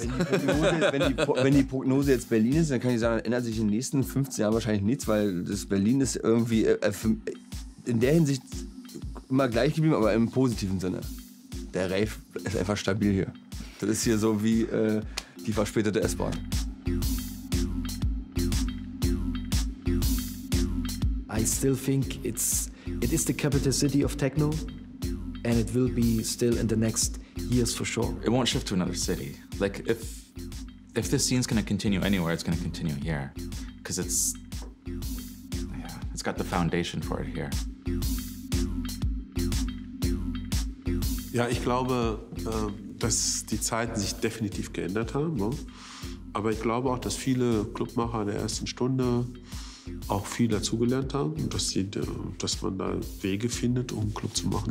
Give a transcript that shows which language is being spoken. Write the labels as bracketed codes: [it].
[de] Wenn die Prognose jetzt Berlin ist, dann kann ich sagen, ändert sich in den nächsten 15 Jahren wahrscheinlich nichts, weil das Berlin ist irgendwie in der Hinsicht immer gleich geblieben, aber im positiven Sinne. Der Rave ist einfach stabil hier. Das ist hier so wie die verspätete S-Bahn. [en] I still think it is the capital city of techno. And it will be still in the next years for sure. It won't shift to another city. Like if this scene's gonna continue anywhere, it's gonna continue here. Because it's got the foundation for it here. [de] Ja, ich glaube, dass die Zeiten sich definitiv geändert haben. Ne? Aber ich glaube auch, dass viele Clubmacher der ersten Stunde auch viel dazugelernt haben, dass man da Wege findet, um einen Club zu machen.